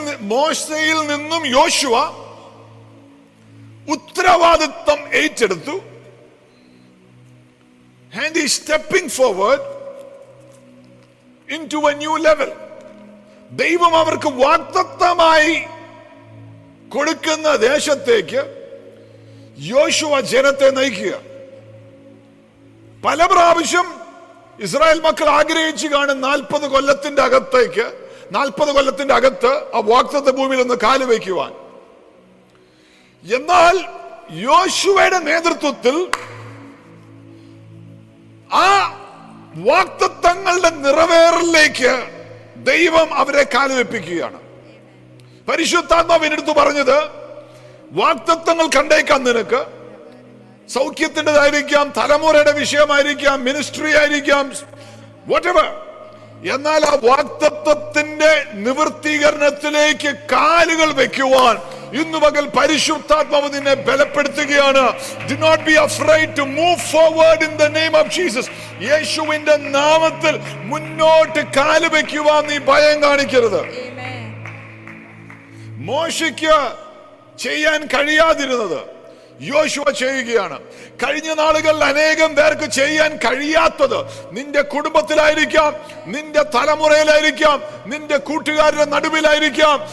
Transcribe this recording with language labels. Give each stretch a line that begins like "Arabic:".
Malayalam: മോശയിൽ നിന്നും യോശുവ ഉത്തരവാദിത്വം ഏറ്റെടുത്തു.
English: And he's stepping forward into a new level.
Malayalam: ദൈവം അവർക്ക് വാഗ്ദത്തമായി കൊടുക്കുന്ന ദേശത്തേക്ക് യോശുവ ജനത്തെ നയിക്കുക. പല പ്രാവശ്യം ഇസ്രായേൽ മക്കൾ ആഗ്രഹിച്ചു കാണും 40 കൊല്ലത്തിന്റെ അകത്ത് ആ വാഗ്ദത്ത ഭൂമിയിൽ ഒന്ന് കാലുവയ്ക്കുവാൻ. എന്നാൽ യോശുവയുടെ നേതൃത്വത്തിൽ ആ വാഗ്ദത്തങ്ങളുടെ നിറവേറലിലേക്ക് ദൈവം അവരെ കാലുവെപ്പിക്കുകയാണ്. പരിശുദ്ധാത്മാവ് എന്നോട് പറഞ്ഞത് വാഗ്ദത്തങ്ങൾ കണ്ടേക്കാം നിനക്ക്. സൗഖ്യത്തിൻ്റെതായിരിക്കാം, തലമുറയുടെ വിഷയമായിരിക്കാം, മിനിസ്ട്രി ആയിരിക്കാം, വാട്ടെവർ. എന്നാൽ ആ വാഗ്ദത്തത്തിന്റെ നിവൃത്തീകരണത്തിലേക്ക് കാലുകൾ വെക്കുവാൻ ഇന്ന് പകൽ പരിശുദ്ധാത്മാവ് നിന്നെ ബലപ്പെടുത്തുകയാണ്.
English: Do not be afraid to move forward in the name of Jesus.
Malayalam: യേശുവിന്റെ നാമത്തിൽ മുന്നോട്ട് കാലുവെക്കുവാൻ നീ ഭയം കാണിക്കരുത്. മോശയ്ക്ക് ചെയ്യാൻ കഴിയാതിരുന്നത് യോശുവ ചെയ്യുകയാണ്. കഴിഞ്ഞ നാളുകളിൽ അനേകം പേർക്ക് ചെയ്യാൻ കഴിയാത്തത് നിന്റെ കുടുംബത്തിലായിരിക്കാം, നിന്റെ തലമുറയിലായിരിക്കാം, നിന്റെ കൂട്ടുകാരുടെ നടുവിലായിരിക്കാം.